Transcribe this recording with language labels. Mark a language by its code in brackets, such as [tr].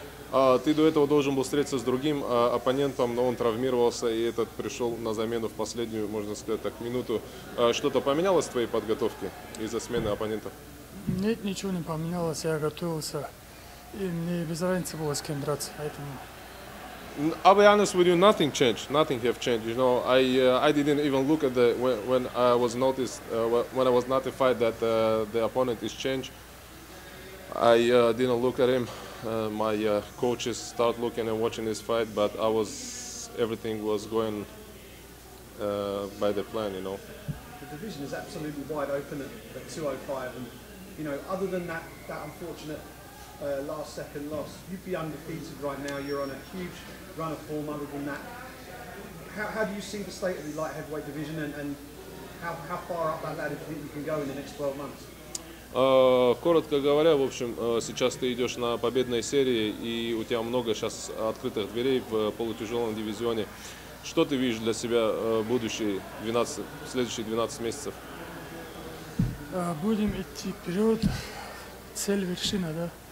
[ru] Ты до этого должен был встретиться с другим оппонентом, но он травмировался, и этот пришел на замену в последнюю, можно сказать, так, минуту. Что-то поменялось в твоей подготовке из-за смены оппонентов? Нет, ничего не поменялось, я готовился, и мне без разницы было, с кем драться, поэтому... [en] I'll be honest with you, nothing changed, nothing have changed, you know, I didn't even look at the, when I was notified that the opponent is changed, I didn't look at him. My coaches start looking and watching this fight, but everything was going by the plan, you know. The division is absolutely wide open at 205, and you know, other than that unfortunate last second loss, you'd be undefeated right now. You're on a huge run of form. Other than that, how do you see the state of the light heavyweight division, and how far up that ladder do you think you can go in the next 12 months? [ru] Коротко говоря, в общем, сейчас ты идешь на победной серии, и у тебя много сейчас открытых дверей в полутяжелом дивизионе. Что ты видишь для себя в следующие 12 месяцев? Будем идти вперед. Цель вершина, да?